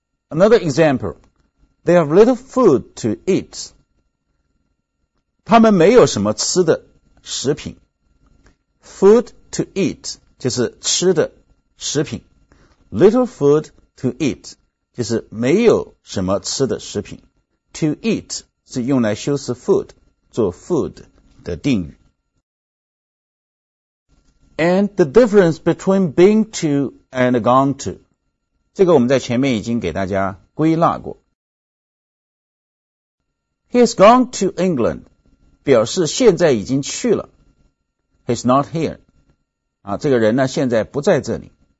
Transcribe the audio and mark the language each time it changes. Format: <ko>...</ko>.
<en>Another example， They have little food to eat，</en> <zh>他们没有什么吃的食品。</zh> <en>Food to eat</en> <zh>就是吃的食品，</zh> <en>little food to eat</en> <zh>就是没有什么吃的食品。</zh> <en>To eat</en> <zh>是用来修饰 food 做 food 的定语。</zh> <en>And the difference between being to and gone to，</en> <zh>这个我们在前面已经给大家归纳过。</zh> <en>He has gone to England</en> <zh>表示现在已经去了。</zh> <en>He's not here.</en> <zh>啊，这个人呢，现在不在这里。</zh>